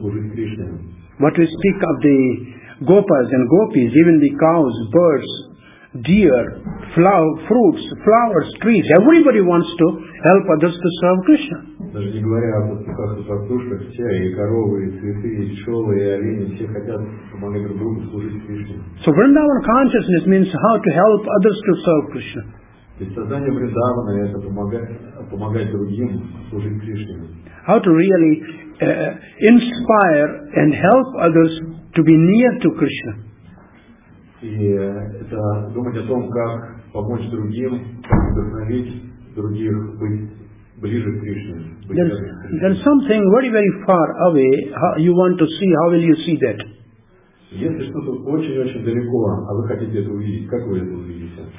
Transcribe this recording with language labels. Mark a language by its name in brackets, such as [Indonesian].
[English] But we speak of the gopas and gopis, even the cows, birds, deer, fruits, flowers, trees. Everybody wants to help others to serve Krishna. So Vrindavan consciousness means how to help others to serve Krishna. [Russian] И создание Вриндавана — это помогать другим служить Кришне. [English] How to really inspire and help others to be near to Krishna. [Russian] И это думать о том, как помочь другим, как вдохновить других быть ближе к Кришне. [English] There's something very, very far away. You want to see, how will you see that? [Russian] Если что-то очень-очень далеко, а вы хотите это увидеть, как вы это увидите?